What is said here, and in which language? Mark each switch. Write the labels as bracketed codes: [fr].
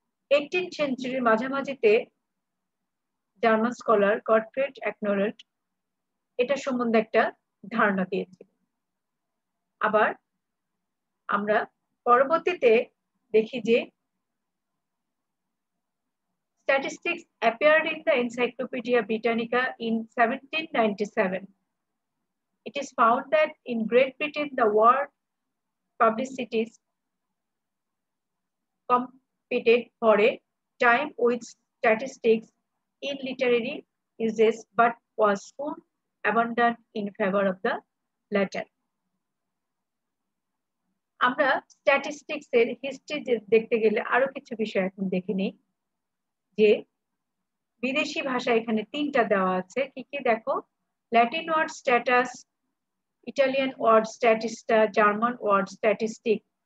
[bn] 18th সেঞ্চুরির মাঝামাঝিতে German scholar Gottfried অ্যাকনোলড এটা সম্বন্ধে একটা ধারণা দিয়েছিল। আবার আমরা পরবর্তীতে দেখি যে [en] Statistics appeared in the Encyclopaedia Britannica in 1797। it is found that in Great Britain, the word publicity competed for a time with statistics in literary uses, but was soon abandoned in favor of the latter. [bn] আমরা statistics এর history দেখতে গেলে আরো কিছু বিষয় এখন দেখে নেই, যে বিদেশি ভাষা এখানে তিনটা দেওয়া আছে, কি কি দেখো, Latin word status, Italian word Statista, German word statistic.